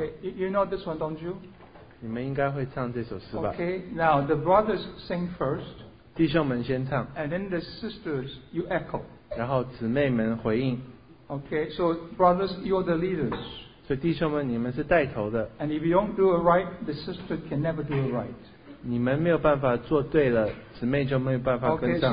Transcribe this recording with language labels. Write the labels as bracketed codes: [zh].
[en] Okay, you know this one, don't you? [zh] 你们应该会唱这首诗吧。 [en] Okay, now the brothers sing first. [zh] 弟兄们先唱。 [en] And then the sisters, you echo. [zh] 然后姊妹们回应。 [en] Okay, so brothers, you're the leaders. [zh] 所以弟兄们你们是带头的。 [en] And if you don't do it right, the sister can never do it right. [zh] 你们没有办法做对了姊妹就没有办法跟上。